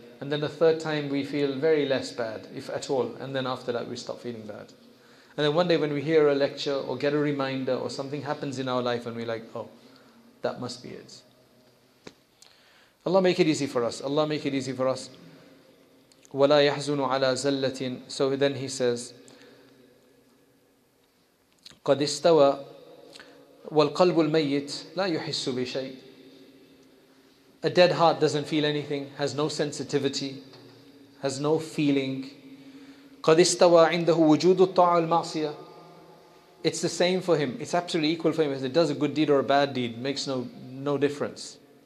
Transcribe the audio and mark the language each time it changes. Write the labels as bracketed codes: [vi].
[en] And then the third time we feel very less bad, if at all, and then after that we stop feeling bad. And then one day when we hear a lecture or get a reminder or something happens in our life and we're like, oh, that must be it. Allah make it easy for us. Allah make it easy for us. [ar] وَلَا يَحْزُنُ عَلَىٰ زَلَّةٍ. [en] So then he says, [ar] قَدْ اسْتَوَىٰ وَالْقَلْبُ الْمَيِّتِ لَا يُحِسُّ بِشَيْءٍ. [en] A dead heart doesn't feel anything, has no sensitivity, has no feeling. [ar] قَدْ اسْتَوَىٰ عِنْدَهُ وُجُودُ الطَّاعَ وَالْمَعْصِيَةِ. [en] It's the same for him. It's absolutely equal for him. If it does a good deed or a bad deed, makes no difference.